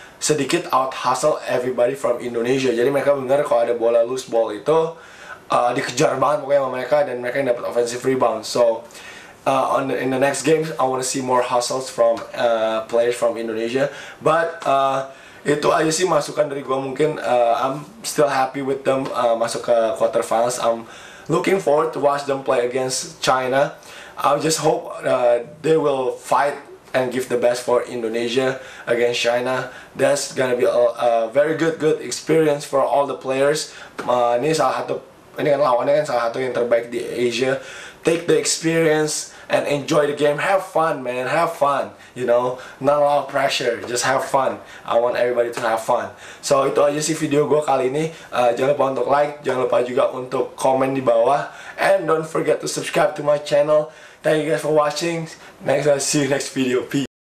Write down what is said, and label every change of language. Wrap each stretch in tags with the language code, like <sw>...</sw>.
<id>sedikit</id> <en>out hustle everybody from Indonesia.</en> <id>Jadi mereka benar kalau ada bola loose ball itu dikejar banget pokoknya sama mereka, dan mereka yang dapat offensive rebound.</id> <en>So in the next games I want to see more hustles from players from Indonesia.</en> <id>But itu aja sih masukan dari gua. Mungkin</id> <en>I'm still happy with them</en> <id>masuk ke</id> <en>quarter finals. I'm looking forward to watch them play against China. I just hope they will fight and give the best for Indonesia against China. That's gonna be a very good experience for all the players.</en> <id>Ini salah satu, ini kan lawannya kan salah satu yang terbaik di Asia.</id> <en>Take the experience and enjoy the game. Have fun, man. Have fun. You know, not a lot of pressure. Just have fun. I want everybody to have fun.</en> <id>So itu aja sih video gue kali ini. Jangan lupa untuk like. Jangan lupa juga untuk komen di bawah.</id> <en>And don't forget to subscribe to my channel. Thank you guys for watching. Next, I'll see you next video. Peace.</en>